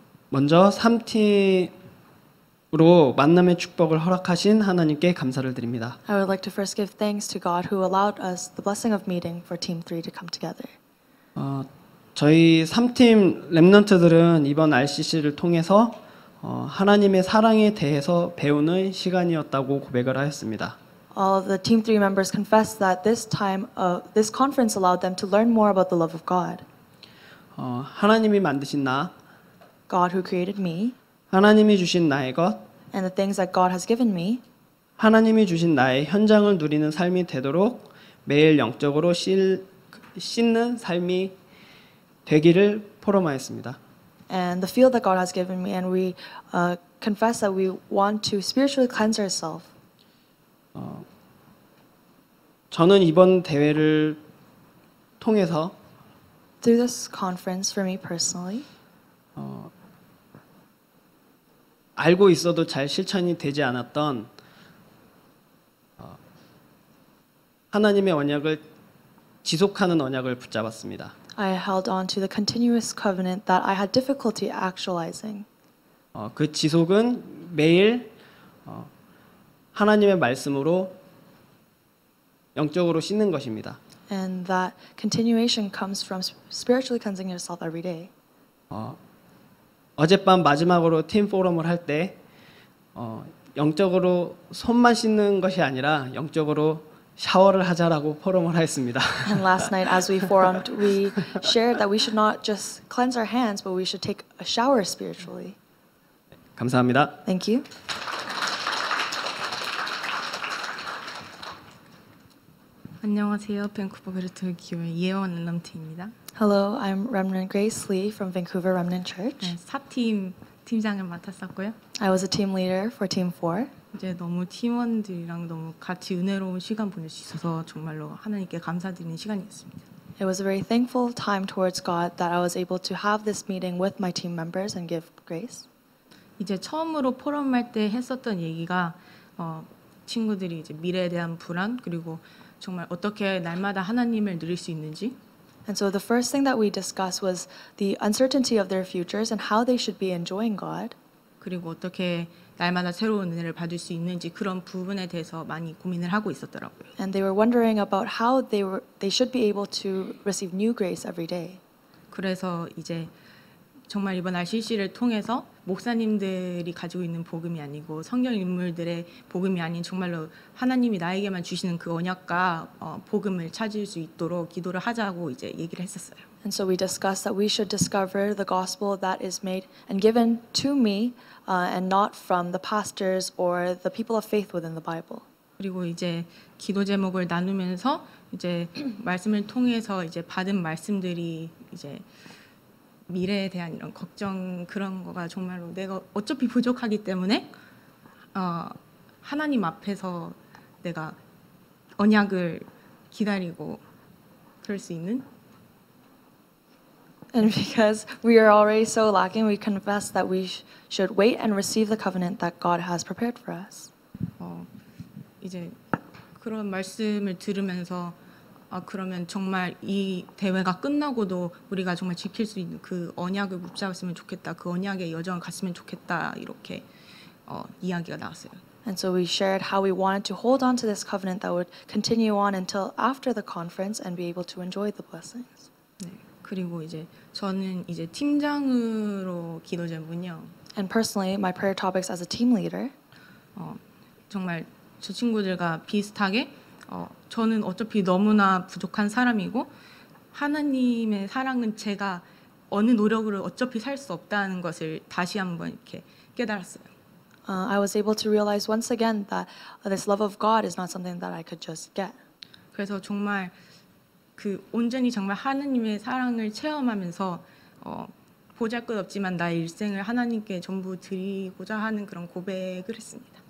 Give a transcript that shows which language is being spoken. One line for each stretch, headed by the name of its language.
Korean: 먼저 3팀으로 만남의 축복을 허락하신 하나님께 감사를 드립니다.
English: I would like to first give thanks to God who allowed us the blessing of meeting for Team 3 to come together.
Korean: 저희 3팀 렘넌트들은 이번 RCC를 통해서 하나님의 사랑에 대해서 배우는 시간이었다고 고백을 하였습니다.
English: All the team 3 members confessed that this time this conference allowed them to learn more about the love of God.
Korean: 하나님이 만드신 나,
English: God who created me,
Korean: 하나님이 주신 나의 것,
English: and the things that God has given me,
Korean: 하나님이 주신 나의 현장을 누리는 삶이 되도록 매일 영적으로 씻는 삶이 되기를 포럼하였습니다.
English: And the field that God has given me, and we confess that we want to spiritually cleanse ourselves.
Korean: 저는 이번 대회를 통해서
English: through this conference for me personally,
Korean: 알고 있어도 잘 실천이 되지 않았던 하나님의 언약을 지속하는 언약을 붙잡았습니다.
English: I held on to the continuous covenant that I had difficulty actualizing.
Korean: 그 지속은 매일 하나님의 말씀으로 영적으로 씻는 것입니다.
English: And that continuation comes from spiritually cleansing yourself every day.
Korean: 어젯밤 마지막으로 팀 포럼을 할 때 영적으로 손만 씻는 것이 아니라 영적으로 샤워를 하자라고 포럼을 하였습니다.
English: And last night as we formed, we shared that we should not just cleanse our hands, but we should take a shower spiritually.
Korean: 감사합니다.
English: Thank you.
Korean: 안녕하세요. 밴쿠버 베르트 교회 예원 렘넌트입니다.
English: Hello, I'm Remnant Grace Lee from Vancouver Remnant Church.
Korean: 4팀 팀장을 맡았었고요.
English: I was a team leader for team 4.
Korean: 이제 너무 팀원들이랑 너무 같이 은혜로운 시간 보낼 수 있어서 정말로 하나님께 감사드리는 시간이었습니다.
English: It was a very thankful time towards God that I was able to have this meeting with my team members and give grace.
Korean: 이제 처음으로 포럼할 때 했었던 얘기가 친구들이 이제 미래에 대한 불안 그리고 정말 어떻게 날마다 하나님을 누릴 수 있는지.
English: And so the first thing that we discussed was the uncertainty of their futures and how they should be enjoying God.
Korean: 그리고 어떻게 날마다 새로운 은혜를 받을 수 있는지 그런 부분에 대해서 많이 고민을 하고 있었더라고요.
English: And they were wondering about how they should be able to receive new grace every day.
Korean: 그래서 이제 정말 이번 RCC를 통해서 목사님들이 가지고 있는 복음이 아니고 성경 인물들의 복음이 아닌 정말로 하나님이 나에게만 주시는 그 언약과 복음을 찾을 수 있도록 기도를 하자고 이제 얘기를 했었어요.
English: And so we discussed that we should discover the gospel that is made and given to me and not from the pastors or the people of faith within the Bible.
Korean: 그리고 이제 기도 제목을 나누면서 이제 말씀을 통해서 이제 받은 말씀들이 이제 미래에 대한 이런 걱정 그런 거가 정말로 내가 어차피 부족하기 때문에 하나님 앞에서 내가 언약을 기다리고 그럴 수 있는
English: And because we are already so lacking, we confess that we should wait and receive the covenant that God has prepared for us.
Korean: 이제 그런 말씀을 들으면서 그러면 정말 이 대회가 끝나고도 우리가 정말 지킬 수 있는 그 언약을 붙잡았으면 좋겠다. 그 언약의 여정을 갔으면 좋겠다. 이렇게 이야기가 나왔어요.
English: And so we shared how we wanted to hold on to this covenant that would continue on until after the conference and be able to enjoy the blessings.
Korean: 네. 그리고 이제 저는 이제 팀장으로 기도 제목은요.
English: And personally, my prayer topics as a team leader.
Korean: 정말 저 친구들과 비슷하게 저는 어차피 너무나 부족한 사람이고 하나님의 사랑은 제가 어느 노력으로 어차피 살 수 없다는 것을 다시 한번 이렇게 깨달았어요.
English: I was able to realize once again that this love of God is not something that I could just get.
Korean: 그래서 정말 그 온전히 정말 하나님의 사랑을 체험하면서 보잘것없지만 나의 일생을 하나님께 전부 드리고자 하는 그런 고백을 했습니다.